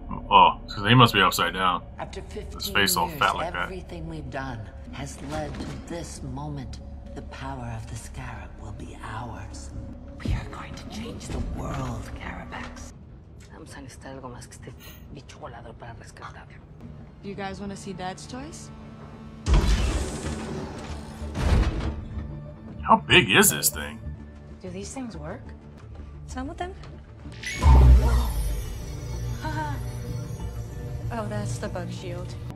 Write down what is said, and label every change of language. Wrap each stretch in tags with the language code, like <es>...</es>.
<en>Oh, so they must be upside down. After 15 his face all fat years, like everything that. We've done has led to this moment. The power of the Scarab will be ours. We are going to change the world, Carabax.</en> <es>Vamos a necesitar algo más que este bicho volador para rescatar.</es> <en>Do you guys want to see Dad's toys? How big is this thing? Do these things work? Some of them? Oh, that's the bug shield.</en>